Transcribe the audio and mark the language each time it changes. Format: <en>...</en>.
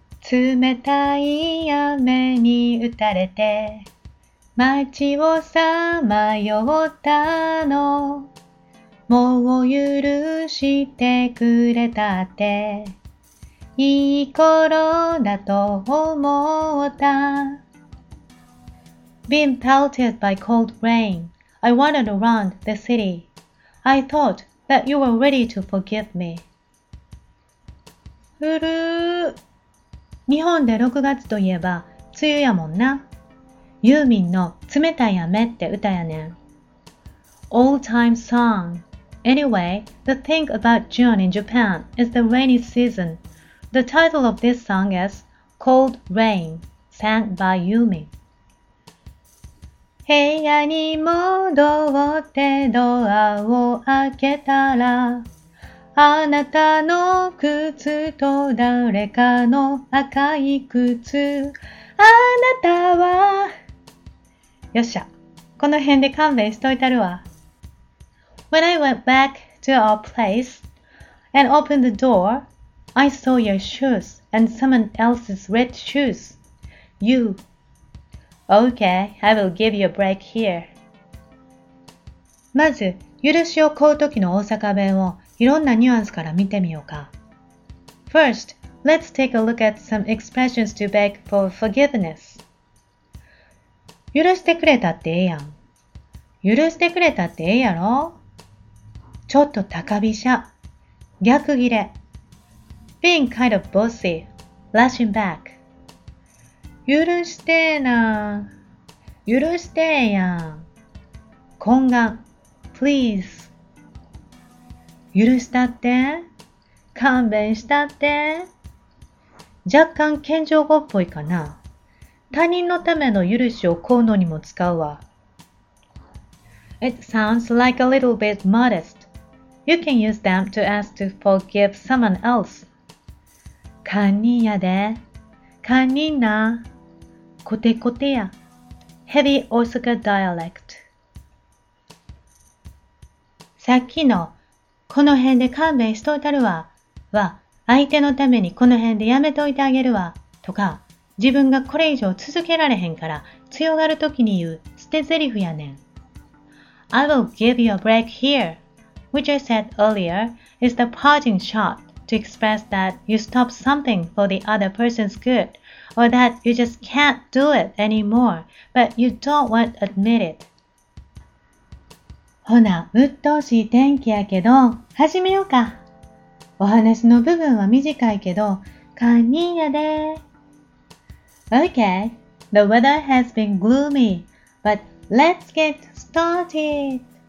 <ja>冷たい雨に打たれて街をさまよったの、もう許してくれたっていい頃だと思った。</ja> <en>Being pelted by cold rain, I wandered around the city. I thought that you were ready to forgive me.</en> <ja>うるー、日本で6月といえば梅雨やもんな。ユーミンの冷たい雨って歌やねん。</ja> <en>Old time song. Anyway, the thing about June in Japan is the rainy season. The title of this song is Cold Rain, sang by Yumi.</en> <ja>部屋に戻ってドアを開けたら、あなたの靴と誰かの赤い靴、あなたは。よっしゃ、この辺で勘弁しといたるわ。</ja> <en>When I went back to our place and opened the door, I saw your shoes and someone else's red shoes. You. Okay, I will give you a break here.</en> <ja>まず、許しを請うときの大阪弁をいろんなニュアンスから見てみようか。</ja> <en>First, let's take a look at some expressions to beg for forgiveness.</en> <ja>許してくれたってええやん。許してくれたってええやろ。ちょっと高飛車。逆切れ。</ja> <en>Being kind of bossy, lashing back.</en> <ja>許してえな。許してえやん。懇願、</ja> <en>please.</en> <ja>許したって、勘弁したって。若干謙譲語っぽいかな。他人のための許しを請うのにも使うわ。</ja> <en>It sounds like a little bit modest. You can use them to ask to forgive someone else.</en> <ja>堪忍やで、堪忍な、コテコテや、</ja> <en>Heavy Osaka dialect。</en> <ja>さっきの、この辺で勘弁しといたるわ、は、相手のためにこの辺でやめといてあげるわ、とか、自分がこれ以上続けられへんから、強がるときに言う捨て台詞やねん。</ja> <en>I will give you a break here, which I said earlier is the parting shot. To express that you stop something for the other person's good, or that you just can't do it anymore, but you don't want to admit it.</en> <ja>ほな、鬱陶しい天気やけど、始めようか。お話の部分は短いけど、堪忍やで。</ja> <en>Okay, the weather has been gloomy, but let's get started.</en>